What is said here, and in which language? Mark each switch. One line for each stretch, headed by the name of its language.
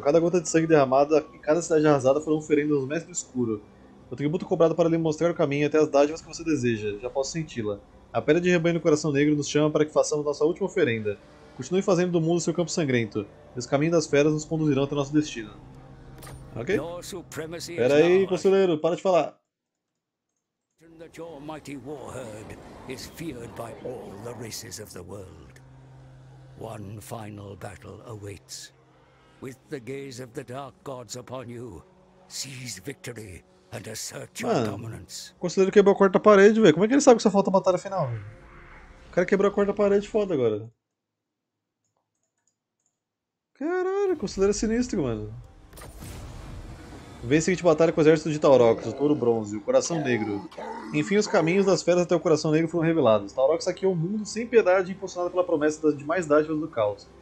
Portuguese: Cada gota de sangue derramada e cada cidade arrasada foram ferendo os mestres do escuro. O tributo cobrado para lhe mostrar o caminho até as dádivas que você deseja. Já posso senti-la. A pedra de rebanho no coração negro nos chama para que façamos nossa última oferenda. Continue fazendo do mundo seu campo sangrento. E os caminhos das feras nos conduzirão até nosso destino. Ok? Pera aí, conselheiro, para de falar.
English: That your mighty war herd is feared by all the races of the world. One final battle awaits. With the gaze of the dark gods upon you, seize victory and assert your dominance.
Portuguese: Considero que quebrou a quarta parede, velho. Como é que ele sabe que só falta a batalha final? O cara quebrou a quarta parede, foda agora. Caralho, considero sinistro, mano. Vence a seguinte batalha com o exército de Taurox, o touro bronze, o coração negro. Enfim, os caminhos das feras até o coração negro foram revelados. Taurox saqueou o mundo sem piedade, impulsionado pela promessa de mais dádivas do caos.